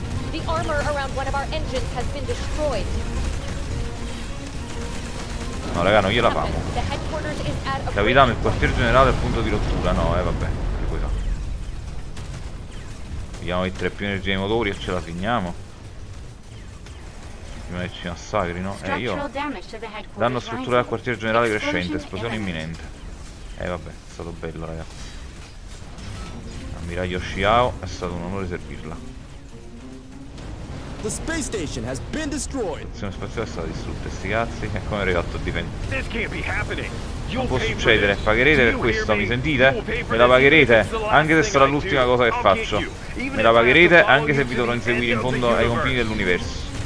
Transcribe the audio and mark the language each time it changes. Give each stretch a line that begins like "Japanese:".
English: The armor around one of our engines has been destroyed.
Italian: No raga, non gliela famo. Capitano, il quartier generale è al punto di rottura. No, vabbè. Dobbiamo mettere più energia ai motori e ce la segniamo. Prima che ci massacrino. Io. Danno strutturale al quartier generale crescente. Esplosione imminente. Vabbè, è stato bello, raga. Ammiraglio Xiao, è stato un onore servirla.
English: The space station has been destroyed.
Italian: La stazione spaziale è stata distrutta, sti cazzi. E come è arrivato a difendere?
English: This can't be happening.
Italian: Non può succedere, pagherete per questo, mi sentite? Me la pagherete, anche se sarà l'ultima cosa che faccio. Me la pagherete, anche se vi dovrò inseguire in fondo ai confini dell'universo.